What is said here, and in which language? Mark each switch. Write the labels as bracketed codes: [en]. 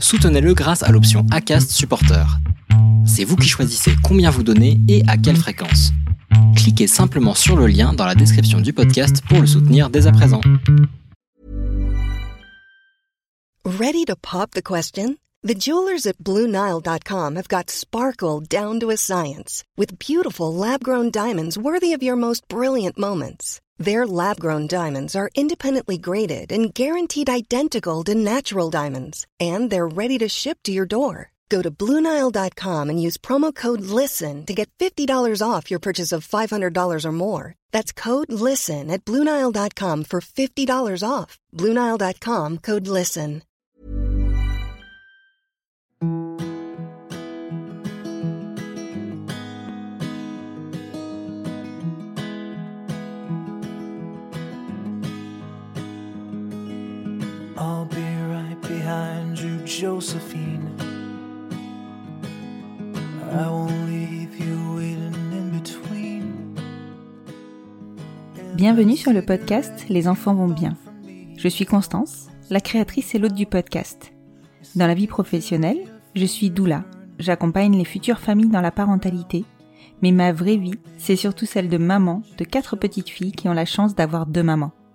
[fr] Soutenez-le grâce à l'option Acast Supporter. C'est vous qui choisissez combien vous donnez et à quelle fréquence. Cliquez simplement sur le lien dans la description du podcast pour le soutenir dès à présent. [en] Ready to pop the question? The jewelers at BlueNile.com have got sparkle down to a science with beautiful lab-grown diamonds worthy of your most brilliant moments. Their lab-grown diamonds are independently graded and guaranteed identical to natural diamonds, and they're ready to ship to your door. Go to BlueNile.com and use promo code LISTEN to get $50 off your purchase of $500 or more. That's code LISTEN at BlueNile.com for $50 off. BlueNile.com, code LISTEN. I'll be right behind you, Josephine. I won't leave you waiting in between. [fr] Bienvenue sur le podcast Les enfants vont bien. Je suis Constance, la créatrice et l'hôte du podcast. Dans la vie professionnelle, je suis doula. J'accompagne les futures familles dans la parentalité. Mais ma vraie vie, c'est surtout celle de maman de quatre petites filles qui ont la chance d'avoir deux mamans.